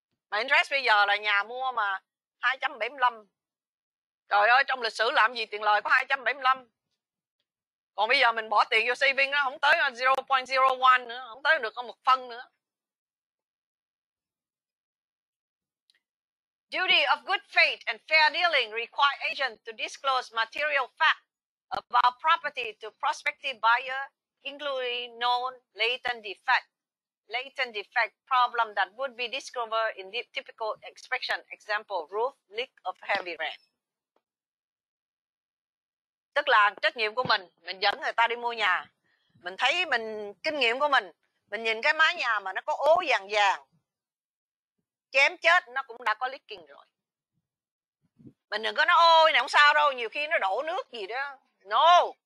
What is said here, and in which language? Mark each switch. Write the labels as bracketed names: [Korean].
[Vietnamese] Mà interest bây giờ là nhà mua mà 2.75, trời ơi, trong lịch sử làm gì tiền lời có 2.75. Còn bây giờ mình bỏ tiền vô saving nó không tới 0.01 nữa, không tới được có một phân nữa. [English] Duty of good faith and fair dealing require agent to disclose material facts about property to prospective buyer, including known latent defect problem that would be discovered in the typical inspection, example roof leak of heavy rain. [Vietnamese] Tức là trách nhiệm của mình dẫn người ta đi mua nhà, mình thấy mình kinh nghiệm của mình nhìn cái mái nhà mà nó có ố vàng vàng, chém chết nó cũng đã có leaking rồi. Mình đừng có nói ôi này không sao đâu, nhiều khi nó đổ nước gì đó. No.